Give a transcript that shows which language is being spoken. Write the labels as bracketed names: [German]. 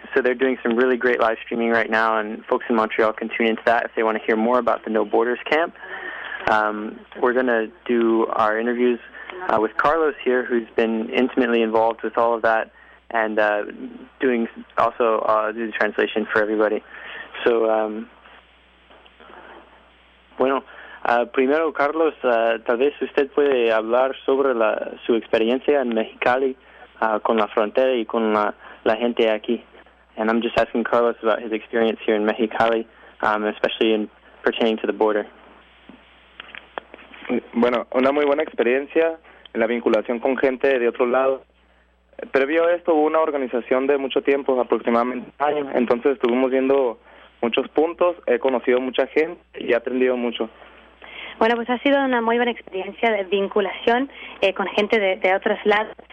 [English] So they're doing some really great live streaming right now, and folks in Montreal can tune into that if they want to hear more about the No Borders camp. We're going to do our interviews with Carlos here, who's been intimately involved with all of that, and doing also do the translation for everybody. [Spanish] So, bueno, primero, Carlos, tal vez usted puede hablar sobre su experiencia en Mexicali con la frontera y con la gente aquí. [English] And I'm just asking Carlos about his experience here in Mexicali, especially in pertaining to the border. [Spanish] Bueno, una muy buena experiencia en la vinculación con gente de otro lado. Previo a esto hubo una organización de mucho tiempo, aproximadamente un año. Entonces estuvimos viendo muchos puntos, he conocido mucha gente y he aprendido mucho. Bueno, pues ha sido una muy buena experiencia de vinculación con gente de otros lados.